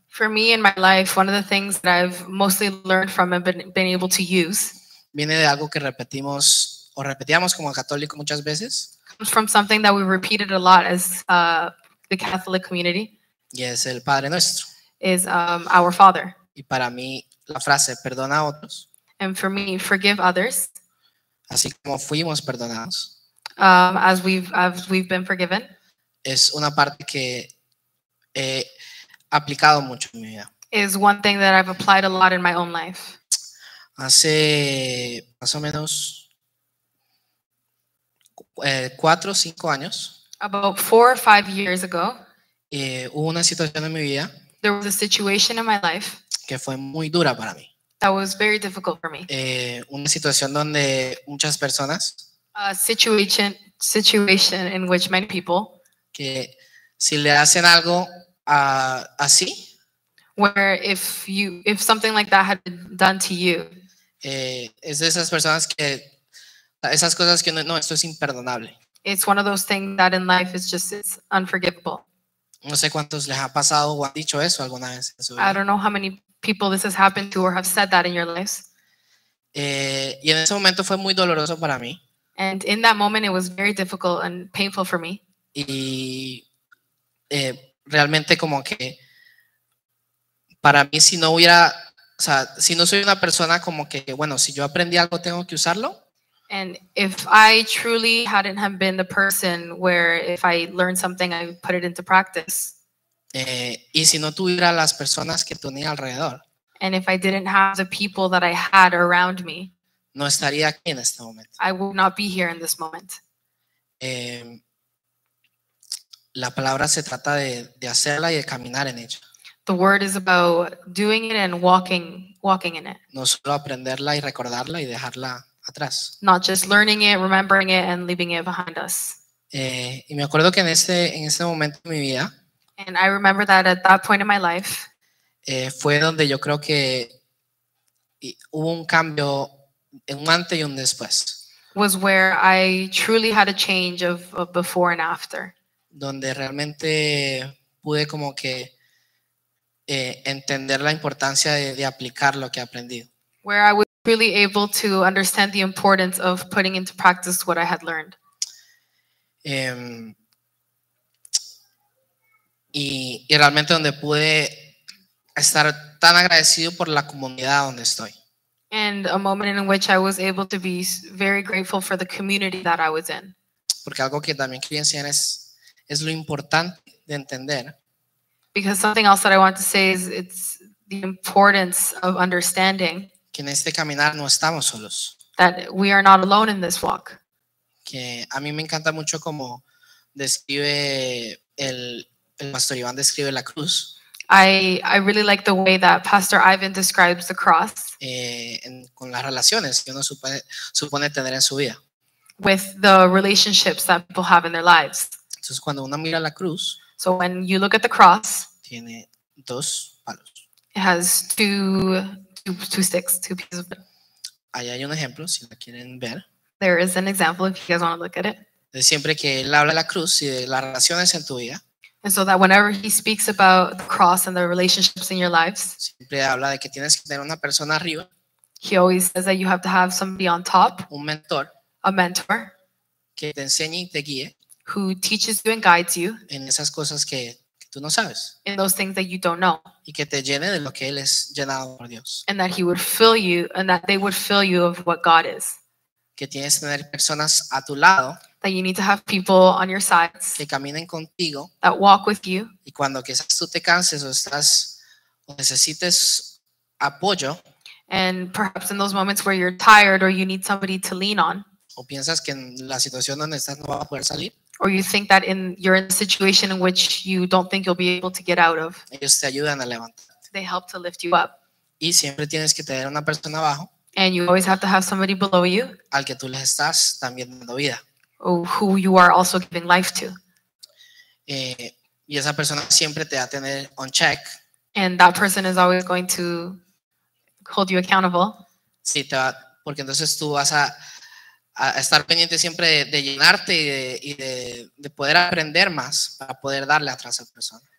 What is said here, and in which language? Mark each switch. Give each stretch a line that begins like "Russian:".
English: For me in my life, one of the things that I've mostly learned from and been able to use.
Spanish: Viene de algo que repetimos o repetíamos como católico muchas veces.
English: Comes from something that we repeated a lot as the Catholic community.
Spanish: Y es el Padre Nuestro.
English: Is our Father.
Spanish: Y para mí la frase, perdona a otros.
English: And for me, forgive others.
Spanish: Así como fuimos perdonados.
English: As we've been forgiven.
Spanish: Es una parte que he aplicado mucho en mi vida.
English: Is one thing that I've applied a lot in my own life.
Spanish: Hace más o menos 4 o 5 años.
English: About 4 or 5 years ago.
Spanish: Hubo una situación en mi vida.
English: There was a situation in my life.
Spanish: Que fue muy dura para mí.
English: That was very difficult for me.
Spanish: Una situación donde muchas personas.
English: A situation in which many people.
Spanish: Que si le hacen algo así.
English: Where if something like that had been done to you.
Spanish: Es de esas personas que esas cosas que no esto es imperdonable.
English: It's one of those things that in life is just it's unforgivable.
Spanish: No sé cuántos les ha pasado o han dicho eso alguna vez.
English: I don't know how many people this has happened to or have said that in your lives.
Spanish: Y en ese momento fue muy doloroso para mí.
English: And in that moment it was very difficult and painful for me.
Spanish: Y realmente como que para mí si no hubiera, o sea, si no soy una persona como que, bueno, si yo aprendí algo tengo que usarlo.
English: And if I truly hadn't have been the person where if I learned something I put it into practice.
Spanish: Y si no tuviera las personas que tenía alrededor.
English: And if I didn't have the people that I had around me.
Spanish: No estaría aquí en este momento.
English: I would not be here in this moment.
Spanish: La palabra se trata de hacerla y de caminar en ella.
English: The word is about doing it and walking in it.
Spanish: No solo aprenderla y recordarla y dejarla atrás.
English: Not just learning it, remembering it, and leaving it behind us.
Spanish: Y me acuerdo que en ese momento de mi vida.
English: And I remember that at that point in my life.
Spanish: Fue donde yo creo que hubo un cambio, un antes y un después.
English: Was where I truly had a change of before and after.
Spanish: Donde realmente pude como que entender la importancia de aplicar lo que aprendí.
English: Where I was really able to understand the importance of putting into practice what I had learned.
Spanish: Y realmente donde pude estar tan agradecido por la comunidad donde estoy.
English: And a moment in which I was able to be very grateful for the community that I was in.
Spanish: Porque algo que también quería enseñar es lo importante de entender.
English: Because something else that I want to say is it's the importance of understanding.
Spanish: Que en este caminar no estamos solos.
English: That we are not alone in this walk.
Spanish: Que a mí me encanta mucho como describe el pastor Iván describe la cruz.
English: I really like the way that Pastor Ivan describes the cross.
Spanish: Con las relaciones que uno supone tener en su vida.
English: With the relationships that people have in their lives.
Spanish: Entonces cuando uno mira la cruz.
English: So when you look at the cross.
Spanish: Tiene dos palos.
English: It has two sticks, two pieces of wood.
Spanish: Ahí hay un ejemplo si la quieren ver.
English: There is an example if you guys want to look at it.
Spanish: De siempre que él habla de la cruz y de las relaciones en tu vida.
English: And so that whenever he speaks about the cross and the relationships in your lives.
Spanish: Siempre habla de que tienes que tener una persona arriba.
English: He always says that you have to have somebody on top.
Spanish: Un mentor.
English: A mentor.
Spanish: Que te enseñe y te guíe.
English: Who teaches you and guides you.
Spanish: En esas cosas que tú no sabes.
English: In those things that you don't know.
Spanish: Y que te llene de lo que él es llenado por Dios.
English: And that he would fill you and that they would fill you of what God is.
Spanish: Que tienes que tener personas a tu lado.
English: That you need to have people on your sides.
Spanish: Que caminen contigo.
English: That walk with you.
Spanish: Y cuando quizás tú te canses o necesites apoyo.
English: And perhaps in those moments where you're tired or you need somebody to lean on.
Spanish: O piensas que en la situación donde estás no vas a poder salir.
English: Or you think that you're in a situation in which you don't think you'll be able to get out of.
Spanish: Ellos te ayudan a levantarte.
English: They help to lift you up.
Spanish: Y siempre tienes que tener una persona abajo.
English: And you always have to have somebody below you.
Spanish: Al que tú les estás también dando vida.
English: Who you are also giving life to.
Spanish: Y esa persona siempre te va a tener
English: on check. And that person is always going to hold you accountable.
Spanish: Sí, te va, porque entonces tú vas a estar pendiente siempre de llenarte y de poder aprender más para poder darle atrás a la persona.